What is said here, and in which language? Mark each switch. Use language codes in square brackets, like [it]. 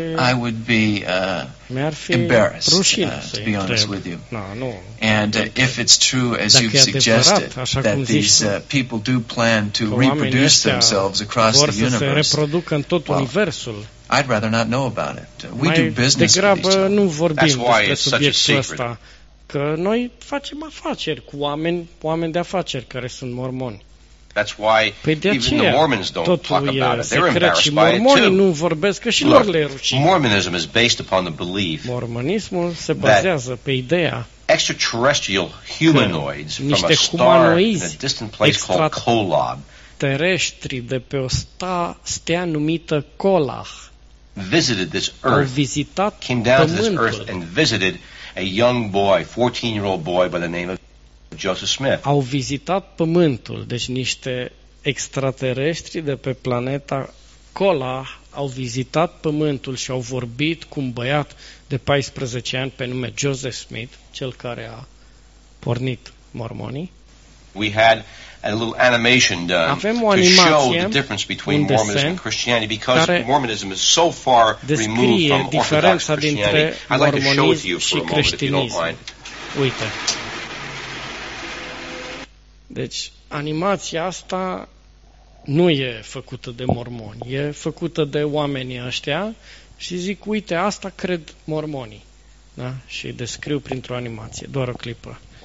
[en] I would be embarrassed to be honest with you. And if it's true, as you've suggested, that these people do plan to reproduce themselves across the universe, well, I'd rather not know about it. We do business with each other. That's why it's such a secret. [ro] Că noi facem afaceri cu oameni, oameni de afaceri care sunt mormoni. [en] That's why even the Mormons don't talk about it. They're embarrassed by it too. [ro] Mormonii nu vorbesc că și lor le rușine. [en] Mormonism is based upon the belief [ro] Mormonismul se bazează pe ideea [en] extraterrestrial humanoids from a star in a distant place called Kolob [ro] terestri de pe o stea numită Kolah [en] visited this earth, came down to this earth and visited a young boy, 14-year-old boy by the name of Joseph Smith. [ro] Au vizitat pământul, deci niște extraterestri de pe planeta Kola au vizitat pământul și au vorbit cu un băiat de 14 ani pe nume Joseph Smith, cel care a pornit mormonii. [en] We had a little animation done [ro] avem [en] to show the difference between Mormonism and Christianity because Mormonism is so far removed from Orthodox Christianity. I'd like to show it to you for a moment if you don't mind. [ro] Uite. Deci, animația asta nu e făcută de mormoni, e făcută de oamenii ăștia și zic, uite, asta cred mormonii. Da? Și îi descriu printr-o animație, doar o clipă.